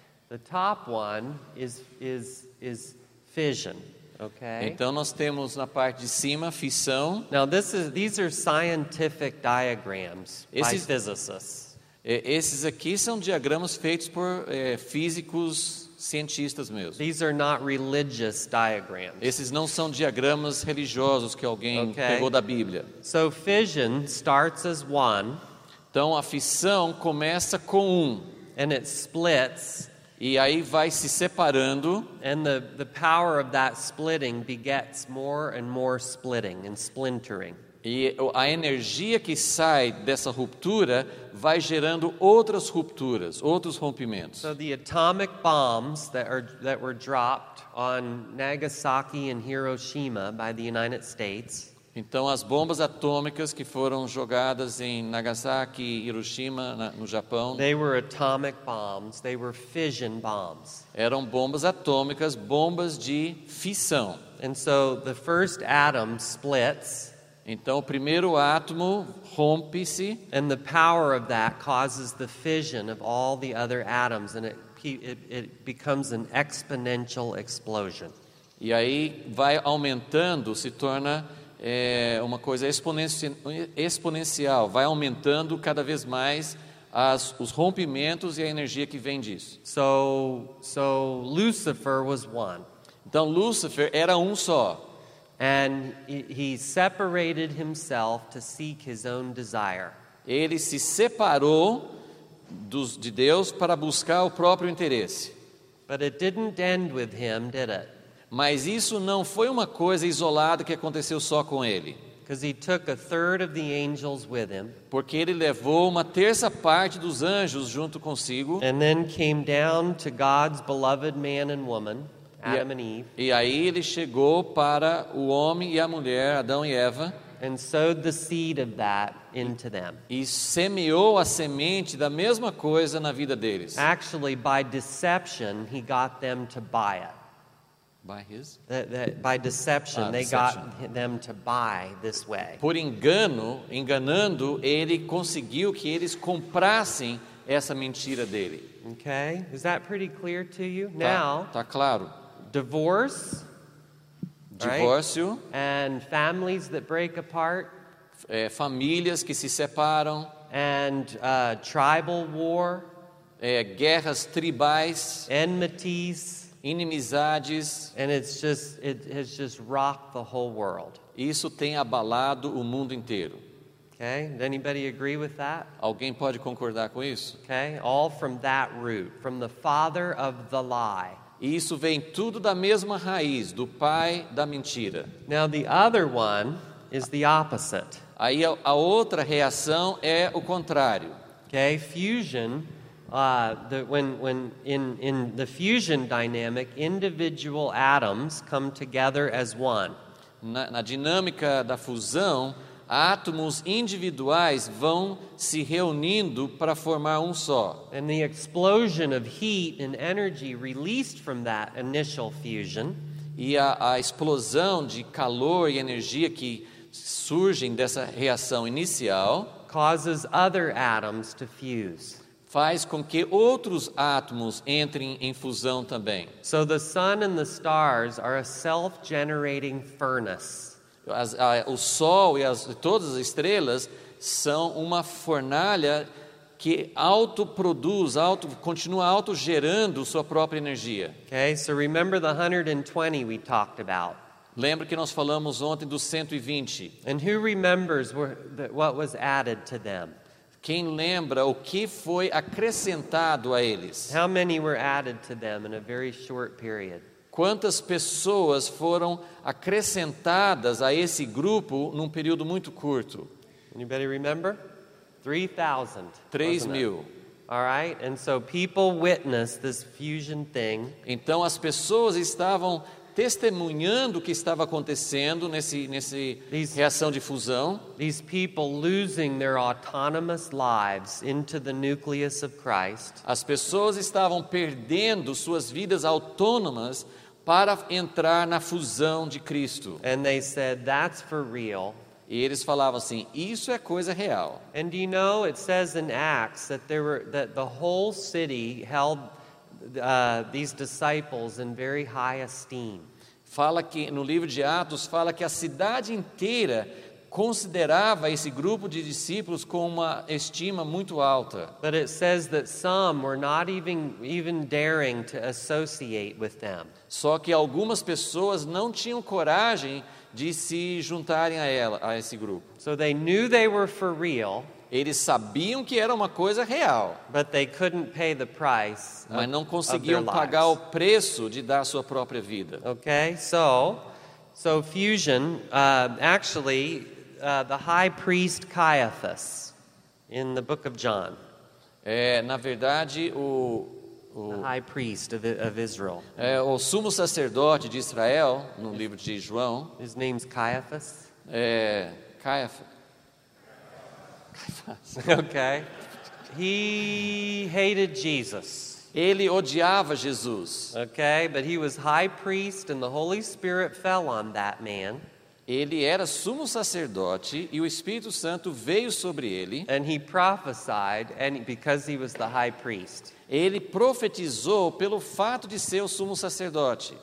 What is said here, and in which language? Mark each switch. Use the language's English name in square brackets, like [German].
[English] The top one is fission, okay? [Portuguese] Então nós temos na parte de cima fissão. [English] Now these are scientific diagrams by physicists. [Portuguese] Esses aqui são diagramas feitos por físicos cientistas mesmo. [English] These are not religious diagrams. [Portuguese] Esses não são diagramas religiosos que alguém pegou da Bíblia. [English] So fission starts as one. [Portuguese] Então a fissão começa com um. [English] And it splits. [Portuguese] E aí vai se separando. [English] And the power of that splitting begets more and more splitting and splintering. [Portuguese] E a energia que sai dessa ruptura vai gerando outras rupturas, outros rompimentos. [English] So the atomic bombs that were dropped on Nagasaki and Hiroshima by the United States. [Portuguese] Então as bombas atômicas que foram jogadas em Nagasaki e Hiroshima no Japão. [English] They were atomic bombs, they were fission bombs. [Portuguese] Eram bombas atômicas, bombas de fissão. [English] And so the first atom splits. [Portuguese] Então o primeiro átomo rompe-se. [English] And the power of that causes the fission of all the other atoms and it becomes an exponential explosion. [Portuguese] E aí vai aumentando, se torna uma coisa exponencial, vai aumentando cada vez mais os rompimentos e a energia que vem disso. [English] So Lucifer was one. [Portuguese] Então Lucifer era um só. [English] And he separated himself to seek his own desire. [Portuguese] Ele se separou de Deus para buscar o próprio interesse. [English] But it didn't end with him, did it? [Portuguese] Mas isso não foi uma coisa isolada que aconteceu só com ele. [English] He took a third of the angels with him. [Portuguese] Porque ele levou uma terça parte dos anjos junto consigo. [English] And then came down to God's beloved man and woman, Adam and Eve. [Portuguese] E aí ele chegou para o homem e a mulher, Adão e Eva. [English] and sowed the seed of that into them. [Portuguese] E semeou a semente da mesma coisa na vida deles. [English] Actually, by deception, he got them to buy it. By his? By deception, they got them to buy this way. [Portuguese] Por engano, enganando, ele conseguiu que eles comprassem essa mentira dele. [English] Okay, is that pretty clear to you? Now, [Portuguese] tá claro. [English] Divorce, [Portuguese] divórcio, [English] right? And families that break apart, [Portuguese] famílias que se separam, [English] and tribal war, [Portuguese] guerras tribais, [English] enmities, [Portuguese] inimizades, [English] and it has just rocked the whole world. [Portuguese] Isso tem abalado o mundo inteiro. [English] Okay, does anybody agree with that? [Portuguese] Alguém pode concordar com isso? [English] Okay, all from that root, from the father of the lie. [Portuguese] Isso vem tudo da mesma raiz, do pai da mentira. [English] Now the other one is the opposite. [Portuguese] Aí a outra reação é o contrário. [English] Okay, fusion, when in the fusion dynamic, individual atoms come together as one. [Portuguese] Na dinâmica da fusão, átomos individuais vão se reunindo para formar um só. [English] And the explosion of heat and energy released from that initial fusion. [Portuguese] E a explosão de calor e energia que surgem dessa reação inicial [English] causes other atoms to fuse. [Portuguese] Faz com que outros átomos entrem em fusão também. [English] So the sun and the stars are a self-generating furnace. [Portuguese] O sol e todas as estrelas são uma fornalha que autoproduz, continua autogerando sua própria energia. [English] Okay, so remember the 120 we talked about. [Portuguese] Lembra que nós falamos ontem dos 120. [English] And who remembers what was added to them? [Portuguese] Quem lembra o que foi acrescentado a eles? [English] How many were added to them in a very short period? [Portuguese] Quantas pessoas foram acrescentadas a esse grupo num período muito curto? [English] Anybody remember? 3,000. [Portuguese] 3,000. [English] All right? And so people witnessed this fusion thing. [Portuguese] Então as pessoas estavam testemunhando o que estava acontecendo nesse reação de fusão. [English] These people losing their autonomous lives into the nucleus of Christ. [Portuguese] As pessoas estavam perdendo suas vidas autônomas para entrar na fusão de Cristo. [English] And they said, that's for real. [Portuguese] E eles falavam assim, isso é coisa real. [English] And do you know, it says in Acts that the whole city held these disciples in very high esteem. [Portuguese] Fala que no livro de Atos, fala que a cidade inteira considerava esse grupo de discípulos com uma estima muito alta. [English] But it says that some were not even daring to associate with them. [Portuguese] Só que algumas pessoas não tinham coragem de se juntarem a esse grupo. [English] So they knew they were for real. [Portuguese] Eles sabiam que era uma coisa real. [English] But they couldn't pay the price. [Portuguese] Mas não conseguiam pagar o preço de dar sua própria vida. [English] Okay, so fusion, actually, the high priest Caiaphas in the book of John. [Portuguese] Na verdade, [English] the high priest of Israel. [Portuguese] O sumo sacerdote de Israel, no livro de João. [English] His name's Caiaphas. [Portuguese] Caiaphas. [English] Okay. He hated Jesus. [Portuguese] Ele odiava Jesus. [English] Okay, but he was high priest and the Holy Spirit fell on that man. [Portuguese] Ele era sumo sacerdote e o Espírito Santo veio sobre ele. [English] And he prophesied because he was the high priest. [Portuguese] Ele profetizou pelo fato de ser o sumo sacerdote.